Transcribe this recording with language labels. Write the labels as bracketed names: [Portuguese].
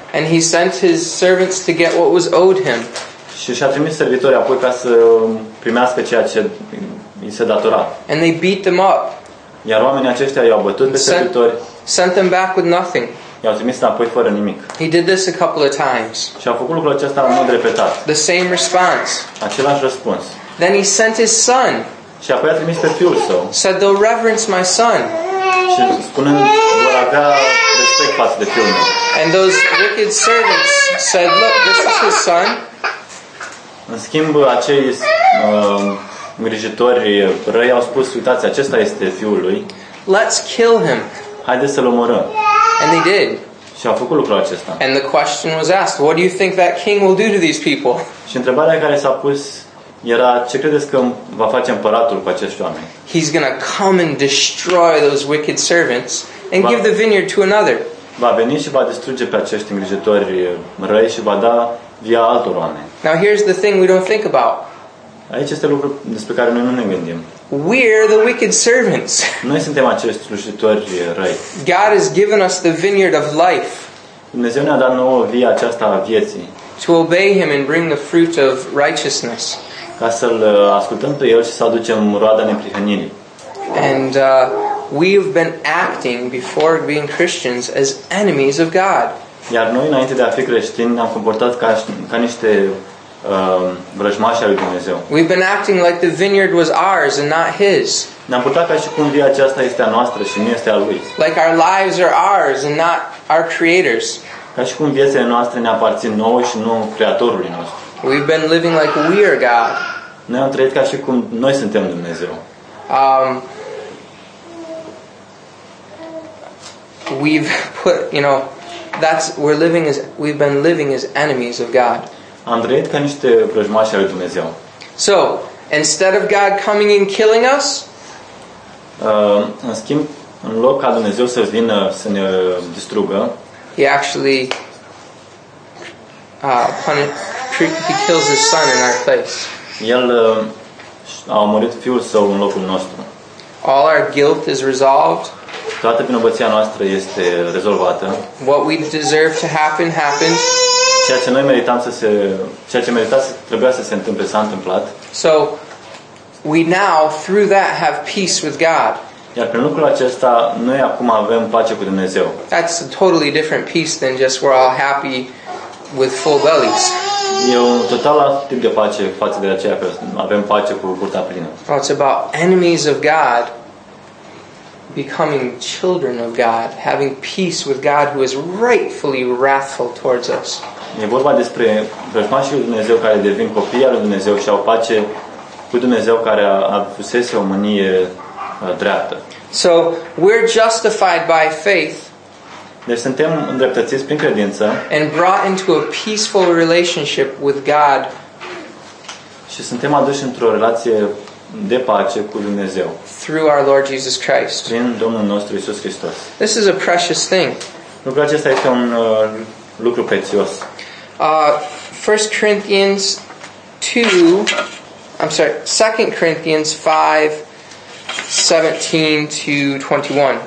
[English] And he sent his servants to get what was owed him. [Romanian] Și și-a trimis servitorii apoi ca să primească ceea ce îi se datora. [English] And they beat them up. [Romanian] Iar oamenii aceștia i-au bătut pe servitori. [English] Sent them back with nothing. [Romanian] I-au trimis înapoi fără nimic. [English] He did this a couple of times. [Romanian] Și a făcut lucrul acesta în mod repetat. [English] The same response. [Romanian] Același răspuns. [English] Then he sent his son. [Romanian] Și apoi a trimis pe fiul său. [English] Said they'll reverence my son. [Romanian] Și spunând vor avea respect față de fiul meu. [English] And those wicked servants said, look, this is his son. [Romanian] În schimb, acei îngrijitori răi au spus, uitați, acesta este fiul lui. [English] Let's kill him. [Romanian] Haideți să-l omorăm. [English] And they did. [Romanian] Și au făcut lucrul acesta. [English] And the question was asked, what do you think that king will do to these people? [Romanian] Și întrebarea care s-a pus era, ce credeți că va face împăratul cu acești oameni? [English] He's going to come and destroy those wicked servants and give the vineyard to another. [Romanian] Va veni și va distruge pe acești îngrijitori răi și va da via altor oameni. [English] Now here's the thing we don't think about. [Romanian] Aici este lucru despre care noi nu ne gândim. [English] We're the wicked servants. [Romanian] Noi suntem acești slujitori răi. [English] God has given us the vineyard of life. [Romanian] Dumnezeu ne-a dat nouă via aceasta a vieții. [English] To obey him and bring the fruit of righteousness. [Romanian] Ca să-l ascultăm pe el și să aducem roada neprihănirii. [English] And we've been acting before being Christians as enemies of God. [Romanian] Iar noi înainte de a fi creștini ne-am comportat ca niște vrăjmașii al lui Dumnezeu. [English] We've been acting like the vineyard was ours and not his. [Romanian] Ne-am purtat ca și cum viața aceasta este a noastră și nu este a lui. [English] Like our lives are ours and not our creator's. [Romanian] Ca și cum viețile noastre ne aparțin nouă și nu creatorului nostru. [English] We've been living like we are God. [Romanian] Noi am trăit ca și cum noi suntem Dumnezeu. [English] We've put, you know, we've been living as enemies of God. [Romanian] Am trăit ca niște vrăjmași al lui Dumnezeu. [English] So, instead of God coming and killing us, [Romanian] în schimb, în loc ca Dumnezeu să vină să ne distrugă, [English] he actually he kills his son in our place. [Romanian] El a omorât fiul său în locul nostru. [English] All our guilt is resolved. [Romanian] Toată vinovăția noastră este rezolvată. [English] What we deserve to happen happened. [Romanian] Ceea ce noi meritam să se ceea ce merita să trebuia să se întâmple s-a întâmplat. [English] So we now through that have peace with God. [Romanian] Iar prin lucrul acesta noi acum avem pace cu Dumnezeu. [English] That's a totally different peace than just we're all happy with full bellies. [Romanian] E un total alt tip de pace față de aceea că avem pace cu burta plină. [English] Well, it's about enemies of God becoming children of God, having peace with God who is rightfully wrathful towards us. [Romanian] E vorba despre vrăjmașii lui Dumnezeu care devin copii al lui Dumnezeu și au pace cu Dumnezeu care a fusese o mânie dreaptă. [English] So, we're justified by faith. [Romanian] Deci suntem îndreptățiți prin credință. [English] And brought into a peaceful relationship with God. [Romanian] Și suntem aduși într-o relație de pace cu Dumnezeu. [English] Through our Lord Jesus Christ. [Romanian] Prin Domnul nostru Iisus Hristos. [English] This is a precious thing. [Romanian] Lucrul acesta este un lucru prețios. [English] 2 Corinthians 5 17 to 21.